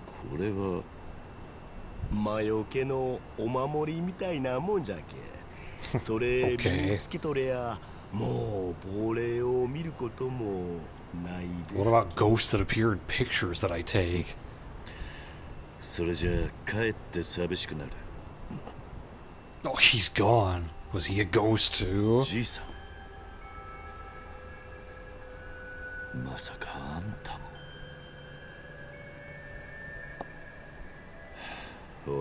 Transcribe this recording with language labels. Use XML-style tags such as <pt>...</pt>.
<ja>これは魔除けのお守りみたいなもんじゃけ。それ身につけとりゃもう亡霊を見ることもないです。</ja> <en>What about ghosts that appear in pictures that I take?</en> <ja>それじゃかえって寂しくなる。</ja> <en>Oh, he's gone. Was he a ghost too?</en> <ja>じいさん。まさかあんたも。</ja>